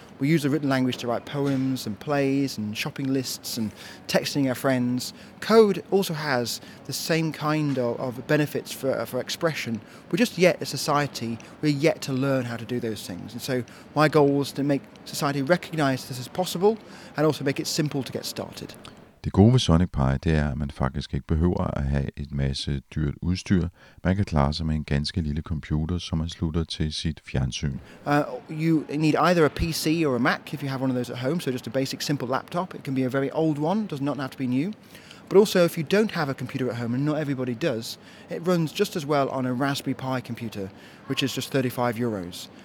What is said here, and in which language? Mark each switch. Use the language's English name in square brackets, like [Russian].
[English] We use the written language to write poems and plays and shopping lists and texting our friends. Code also has the same kind of benefits for expression. We're just yet, as society, we're yet to learn how to do those things. And so my goal is to make society recognize this as possible and also make it simple to get started. [Danish] Det gode ved Sonic Pi, det er, at man faktisk ikke behøver at have et masse dyrt udstyr. Man kan klare sig med en ganske lille computer, som man slutter til sit fjernsyn. [English] You need either a PC or a Mac, if you have one of those at home, so just a basic, simple laptop. It can be a very old one, does not have to be new. But also, if you don't have a computer at home, and not everybody does, it runs just as well on a Raspberry Pi computer, which is just €35.